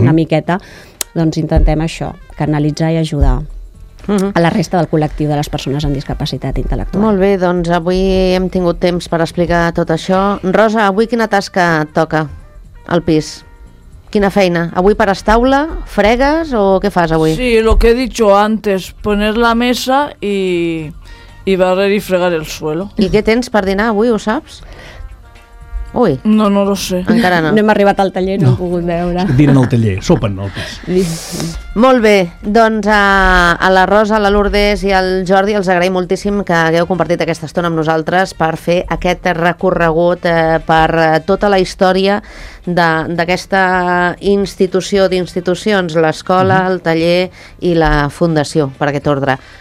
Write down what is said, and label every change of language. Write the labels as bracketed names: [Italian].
[Catalan] Una miqueta doncs intentem això, canalitzar i ajudar a la resta del col·lectiu de les persones amb discapacitat intel·lectual. Molt bé, doncs avui hem tingut temps per explicar tot això. Rosa, avui quina tasca toca al pis? Quina feina? Avui pares taula, fregues o què fas avui? [Spanish] Sí, lo que he dicho antes, poner la mesa y barrer y fregar el suelo. [Catalan] I què tens per dinar avui, ho saps? Ui. [Spanish] No lo sé. [Catalan] Encara no. No hem arribat al taller, no. Hem pogut veure. Dinen al taller, sopen al pis. Molt bé, doncs a la Rosa, a la Lourdes i al Jordi els agraïm moltíssim que hagueu compartit aquesta estona amb nosaltres per fer aquest recorregut per tota la història d'aquesta institució d'institucions, l'escola, el taller i la Fundació, per aquest ordre.